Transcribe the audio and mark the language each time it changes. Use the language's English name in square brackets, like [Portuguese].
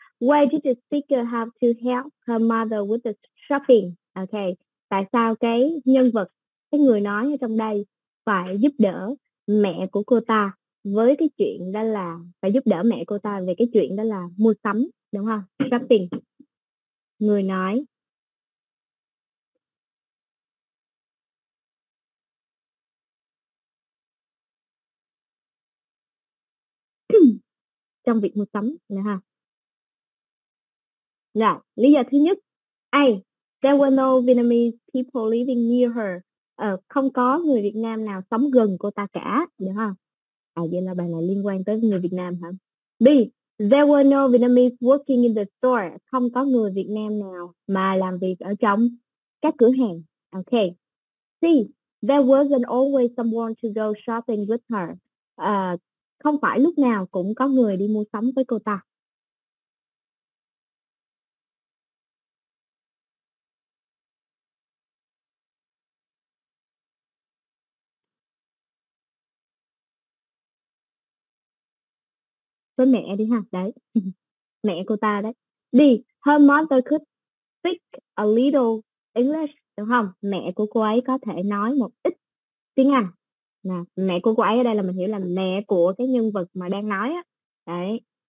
[English] Why did the speaker have to help her mother with the shopping? Okay. [Vietnamese] Tại sao cái nhân vật, cái người nói ở trong đây phải giúp đỡ mẹ của cô ta với cái chuyện đó là phải giúp đỡ mẹ cô ta về cái chuyện đó là mua sắm, đúng không? Shopping. Người nói. Trong việc mua sắm nữa ha. Rồi, lý do thứ nhất. A. [English] There were no Vietnamese people living near her. [Vietnamese] Không có người Việt Nam nào sống gần cô ta cả, được không? À, vậy là bài này liên quan tới người Việt Nam hả? B. [English] There were no Vietnamese working in the store. [Vietnamese] Không có người Việt Nam nào mà làm việc ở trong các cửa hàng. Ok. C. [English] There wasn't always someone to go shopping with her. [Vietnamese] Không phải lúc nào cũng có người đi mua sắm với cô ta. Với mẹ đi ha, đấy, mẹ cô ta đấy. D. [English] Her mother could speak a little English, [Vietnamese] đúng không? Mẹ của cô ấy có thể nói một ít tiếng Anh. Nè, mẹ của cô ấy ở đây là mình hiểu là mẹ của cái nhân vật mà đang nói á. Đấy.